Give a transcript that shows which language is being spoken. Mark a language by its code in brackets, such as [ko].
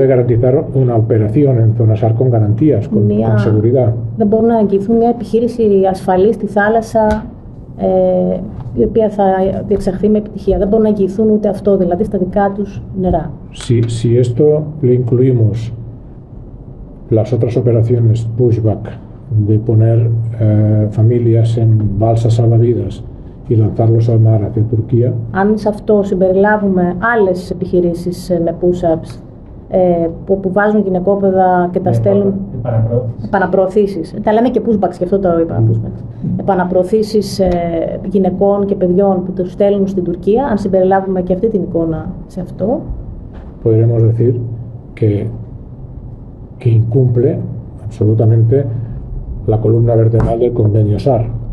[es] No puede garantizar una operación en zona SAR con garantías, con seguridad. [el] Δεν μπορεί να εγγυηθούν μια επιχείρηση ασφαλής στη θάλασσα η οποία θα διεξαχθεί με επιτυχία. Δεν μπορούν να εγγυηθούν ούτε αυτό, δηλαδή στα δικά τους νερά. [es] Si esto le incluimos las otras operaciones pushback de poner familias en balsas salvavidas y lanzarlos al mar hacia Turquía. [el] Αν σε αυτό συμπεριλάβουμε άλλες επιχειρήσεις με push-ups που βάζουν γυναικόπαιδα και τα στέλνουν. Επαναπροωθήσεις. Τα λέμε και pushbacks, γι' αυτό το είπα. Επαναπροωθήσεις γυναικών και παιδιών που τους στέλνουν στην Τουρκία, αν συμπεριλάβουμε και αυτή την εικόνα σε αυτό. [es] Podríamos decir que incumple absolutamente la columna vertebral del convenio SAR.